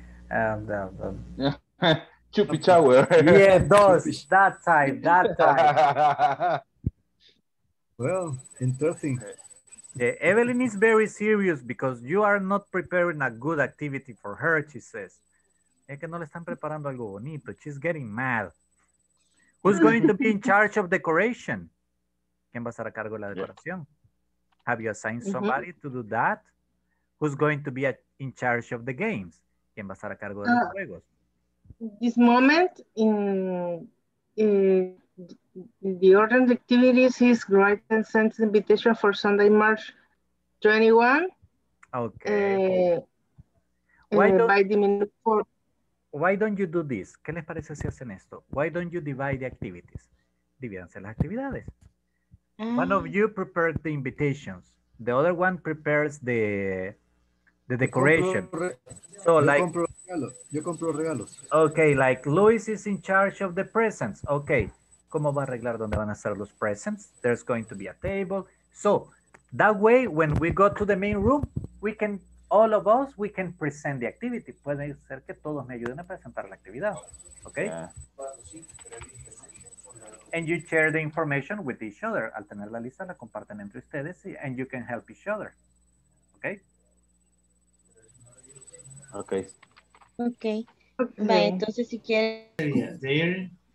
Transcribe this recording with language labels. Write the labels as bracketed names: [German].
[English] chupi shower. Yeah, those. That type. Well, interesting. Yeah, Evelyn is very serious because you are not preparing a good activity for her, she says. [Spanish] Es que no le están preparando algo bonito. [English] She's getting mad. Who's going to be in charge of decoration? [Spanish] ¿Quién va a estar a cargo de la decoración? [English] Have you assigned somebody to do that? Who's going to be in charge of the games? [Spanish] ¿Quién va a estar a cargo de los juegos? [English] This moment, in the order of activities is write and send an invitation for Sunday, March 21. Okay. Why don't you do this? [Spanish] ¿Qué les parece si hacen esto? [English] Why don't you divide the activities? [Spanish] Divídanse las actividades. [English] One of you prepared the invitations. The other one prepares the decoration. [Spanish] Yo compro regalos. [English] Okay, like Luis is in charge of the presents. Okay. [Spanish] ¿Cómo va a arreglar dónde van a estar los presents? [English] There's going to be a table. So, that way, when we go to the main room, we can present the activity. [Spanish] Puede ser que todos me ayuden a presentar la actividad. [English] Okay? And you share the information with each other. [Spanish] Al tener la lista, la comparten entre ustedes [English] and you can help each other. Okay? Okay. [Spanish] Va, entonces si quieres.